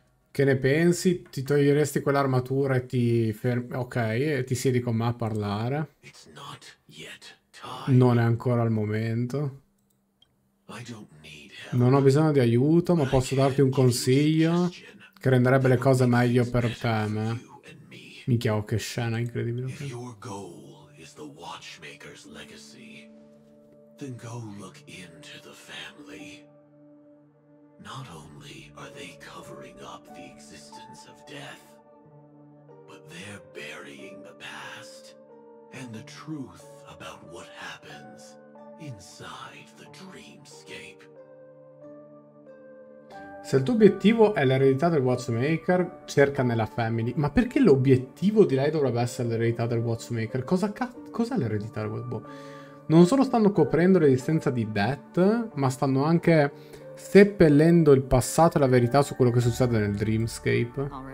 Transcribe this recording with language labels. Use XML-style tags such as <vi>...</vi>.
<it>Che ne pensi? Ti toglieresti quell'armatura e ti fermi? Ok, e ti siedi con me a parlare?</it> <en>It's not yet time.</en> <it>Non è ancora il momento.</it> <en>I don't need help.</en> <it>Non ho bisogno di aiuto, ma posso darti un consiglio che renderebbe le cose meglio per te e me. Minchia, oh, che scena incredibile.</it> <en>If your goal is the Watchmaker's legacy, then go look into the family. Not only are they covering up the existence of death, but they're burying the past and the truth about what happens inside the dreamscape.</en> <it>Se il tuo obiettivo è l'eredità del Watchmaker, cerca nella family. Ma perché l'obiettivo di lei dovrebbe essere l'eredità del Watchmaker? Cos'è l'eredità del Watchmaker? Non solo stanno coprendo l'esistenza di Death, ma stanno anche seppellendo il passato e la verità su quello che succede nel Dreamscape.</it>